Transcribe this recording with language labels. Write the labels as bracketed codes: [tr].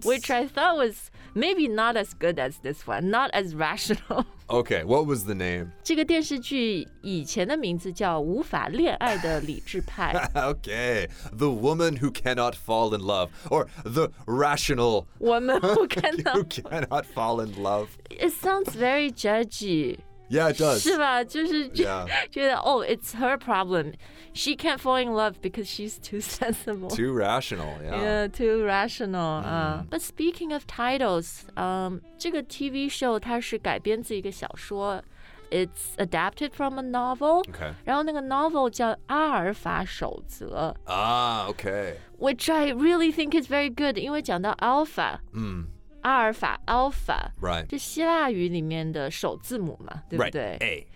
[en] Which I thought was maybe not as good as this one, not as rational. Okay, what was the name? [zh] 这个电视剧以前的名字叫《无法恋爱的理智派》。 [en] Okay, The Woman Who Cannot Fall in Love, or The Rational Woman who cannot fall in love. It sounds very judgy. Yeah, it does. [zh] 是吧？就是觉得、 [en] yeah. [zh] 觉得 [en] oh, it's her problem. She can't fall in love because she's too sensible. Too rational, yeah. Yeah, too rational.、Mm-hmm. But speaking of titles, 这个 TV show [zh] 它是改编自一个小说。 [en] It's adapted from a novel. Okay. [zh] 然后那个 novel 叫《阿尔法守则》。 [en] Ah, okay. Which I really think is very good, [zh] 因为讲到 [en] alpha. 嗯、mm.。 [zh] 阿尔法 ,alpha, 这希腊语里面的首字母嘛对不对